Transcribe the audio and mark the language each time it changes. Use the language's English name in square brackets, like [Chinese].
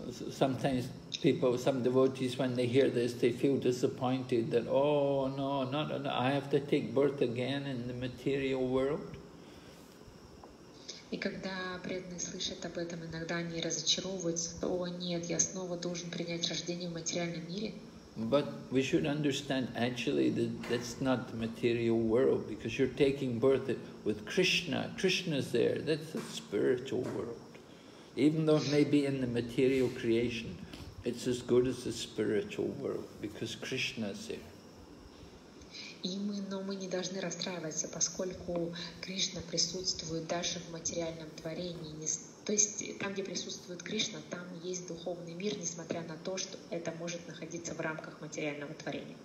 [English] Sometimes people, some devotees, when they hear this, they feel disappointed that, oh no, not I have to take birth again in the material world. [Russian] И когда преданные слышат об этом, иногда они разочаровываются: о нет, я снова должен принять рождение в материальном мире. [English] But we should understand actually that that's not the material world, because you're taking birth with Krishna. Krishna's there. That's the spiritual world. Even though it may be in the material creation, it's as good as the spiritual world, because Krishna is there. [Russian] Но мы не должны расстраиваться, поскольку Кришна присутствует даже в материальном творении. То есть там, где присутствует Кришна, там есть духовный мир, несмотря на то, что это может находиться в рамках материального творения.